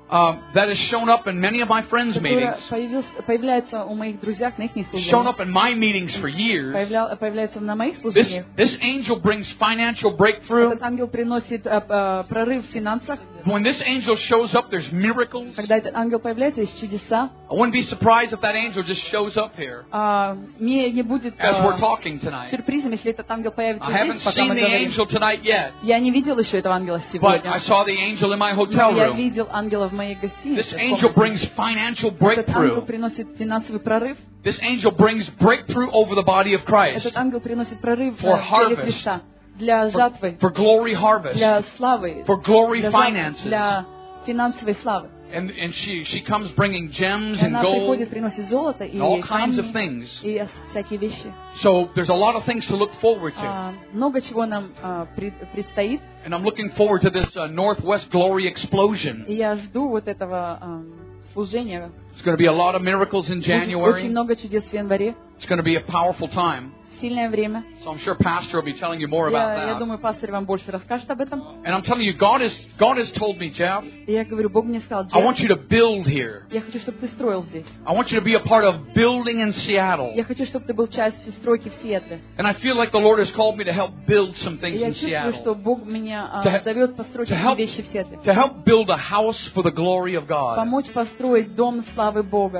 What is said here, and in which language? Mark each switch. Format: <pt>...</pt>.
<en>That has shown up in many of my friends' meetings.</en> <ru>Появляется у моих друзей на их служениях.</ru> <en>Shown up in my meetings for years.</en> <ru>Появляется на моих служениях.</ru> <en>This angel brings financial breakthrough.</en> <ru>Этот ангел приносит прорыв в финансах.</ru> <en>When this angel shows up, there's miracles.</en> <ru>Когда этот ангел появляется, есть чудеса.</ru> <en>I wouldn't be surprised if that angel just shows up here.</en> <ru>Мне не будет.</ru> <en>As we're talking tonight.</en> <ru>Сюрпризом, если этот ангел появится здесь, пока мы говорим.</ru> <en>I haven't seen the angel tonight yet.</en> <ru>Я не видел еще этого ангела сегодня.</ru> <en>But I saw the angel in my hotel room.</en> <ru>Я видел ангела в моей гостинице.</ru> <en>This angel brings financial breakthrough.</en> <ru>Этот ангел приносит финансовый прорыв.</ru> <en>This angel brings breakthrough over the body of Christ.</en> <ru>Этот ангел приносит прорыв в теле Христа. Для жатвы,</ru> <en>for glory harvest,</en> <ru>для славы,</ru> <en>for glory finances,</en> <ru>для финансовой славы.</ru> <en>And she comes bringing gems and gold and all kinds of things. So there's a lot of things to look forward to.</en> <ru>Много чего нам предстоит.</ru> <en>And I'm looking forward to this Northwest Glory explosion.</en> <ru>Я жду вот этого служения.</ru> <en>It's going to be a lot of miracles in January.</en> <ru>Очень много чудес в январе.</ru> <en>It's going to be a powerful time.</en> <ru>Сильное время.</ru> <en>So I'm sure pastor will be telling you more about that.</en> <ru>Я думаю, пастор вам больше расскажет об этом.</ru> <en>And I'm telling you, God has told me, Jeff.</en> <ru>Я говорю, Бог мне сказал, Джефф.</ru> <en>I want you to build here.</en> <ru>Я хочу, чтобы ты строил здесь.</ru> <en>I want you to be a part of building in Seattle.</en> <ru>Я хочу, чтобы ты был частью стройки в Сиэтле.</ru> <en>And I feel like the Lord has called me to help build some things in Seattle.</en> <ru>Я чувствую, что Бог меня зовет построить вещи в Сиэтле.</ru> <en>To help build a house for the glory of God.</en> <ru>Помочь построить дом славы Бога.</ru>